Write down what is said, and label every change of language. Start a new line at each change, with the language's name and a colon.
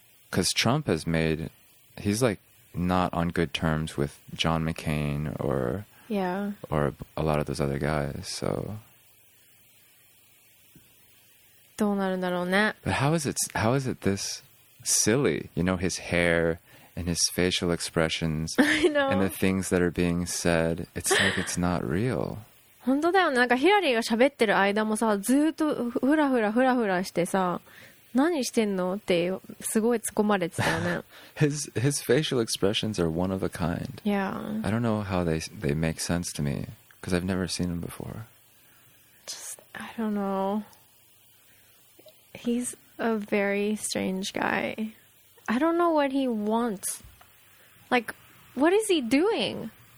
English: because Trump he's like not on good terms with John McCain or a lot of those other guys, so.
Japanese: どうなるんだろうね?
English: But how is it this silly? You know, his hair and his facial expressions and the things that are being said, it's like it's not real.
Japanese: 本当だよね。なんかヒラリーが喋ってる間もさ、ずっとフラフラフラフラしてさ、何してんのってすごい突っ込まれてたよね。
English: his facial expressions are one of a kind. Yeah. I don't know how they make sense to me because I've never seen him before. Just, I don't know. He's a very strange guy. I don't know what he wants. Like, what is he doing?